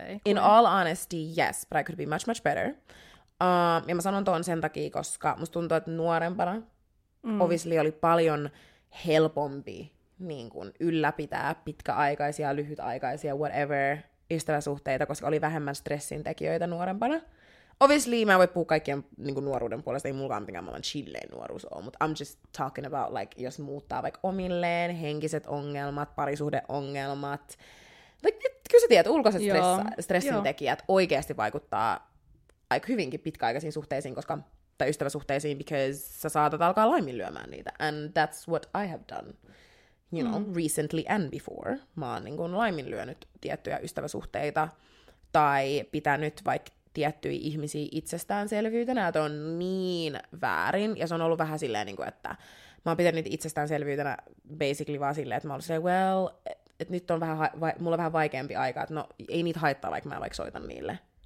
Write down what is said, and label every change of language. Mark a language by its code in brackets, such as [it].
[en] Okay, in all honesty, yes, but I could be much, much better. [fi] Ja mä sanon ton sen takia, koska musta tuntuu, että nuorempana obviously oli paljon helpompi niin kun ylläpitää pitkäaikaisia, lyhytaikaisia, whatever, ystäväsuhteita, koska oli vähemmän stressintekijöitä nuorempana. Obviously, mä en voi puhua kaikkien niin kuin nuoruuden puolesta, ei mulla mitenkään maailman chilleen nuoruus ole, mutta [en] I'm just talking about, like, [fi] jos muuttaa vaikka omilleen, henkiset ongelmat, parisuhdeongelmat. Like, kyllä sä tiedät, ulkoiset stressintekijät oikeasti vaikuttaa aika hyvinkin pitkäaikaisiin suhteisiin, koska, tai ystäväsuhteisiin, because sä saatat alkaa laiminlyömään niitä. [en] And that's what I have done, you know, recently and before. [fi] Mä oon niin kuin laiminlyönyt tiettyjä ystäväsuhteita tai pitänyt vaikka tiettyjä ihmisiä itsestäänselvyytenä, että on niin väärin, ja se on ollut vähän silleen, että mä oon pitänyt itsestäänselvyytenä basically vaan silleen, että mä olin silleen, well, että nyt on vähän mulla on vähän vaikeampi aika, että no, ei niitä haittaa, vaikka mä vaikka soitan niille